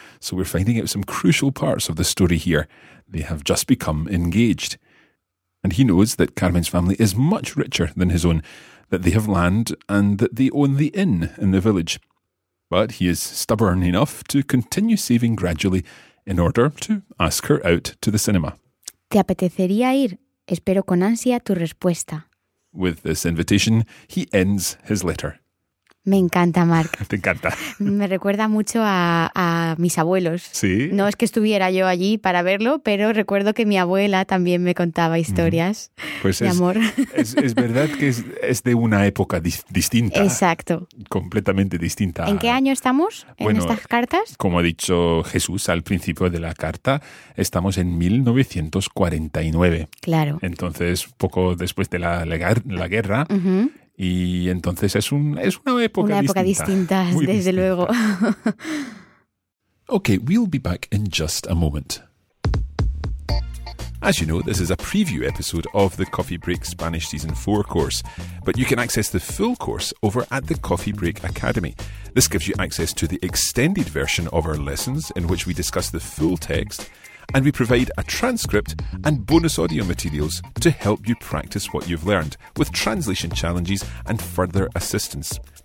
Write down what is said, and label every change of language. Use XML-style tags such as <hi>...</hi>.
<en>So we're finding out some crucial parts of the story here. They have just become engaged. And he knows that Carmen's family is much richer than his own, that they have land and that they own the inn in the village. But he is stubborn enough to continue saving gradually in order to ask her out to the cinema.</en> <es>¿Te apetecería ir? Espero con ansia tu respuesta.</es> <en>With this invitation, he ends his letter.</en> <es>Me encanta, Marc. Te encanta. Me recuerda mucho a mis abuelos. Sí. No es que estuviera yo allí para verlo, pero recuerdo que mi abuela también me contaba historias amor. Es verdad que es de una época distinta. Exacto. Completamente distinta. ¿En qué año estamos en estas cartas? Como ha dicho Jesús al principio de la carta, estamos en 1949. Claro. Entonces, poco después de la guerra. Uh-huh. Y entonces es una época distinta, desde luego.</es> <en>Okay, we'll be back in just a moment. As you know, this is a preview episode of the Coffee Break Spanish Season 4 course, but you can access the full course over at the Coffee Break Academy. This gives you access to the extended version of our lessons in which we discuss the full text, and we provide a transcript and bonus audio materials to help you practice what you've learned with translation challenges and further assistance.</en>